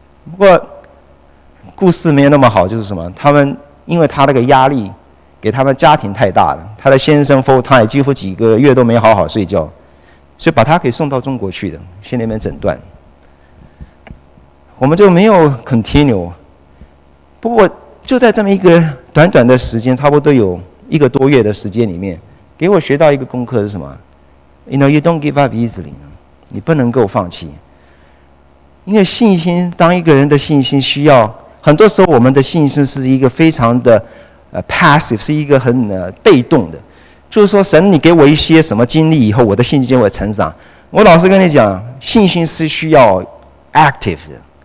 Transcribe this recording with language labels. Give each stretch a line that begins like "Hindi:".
Chinese: 不过故事没有那么好，就是什么，他们因为他那个压力给他们家庭太大了，他的先生 full time 几乎几个月都没好好睡觉，所以把他给送到中国去的，去那边诊断。我们就没有 continue。不过就在这么一个短短的时间，差不多有一个多月的时间里面，给我学到一个功课是什么？
English: You know, you don't give up easily，
Chinese: 你不能够放弃。因为信心，当一个人的信心需要，很多时候我们的信心是一个非常的passive， 是一个很被动的，就是说神你给我一些什么经历以后，我的信心就会成长。我老实跟你讲，信心是需要 active 的。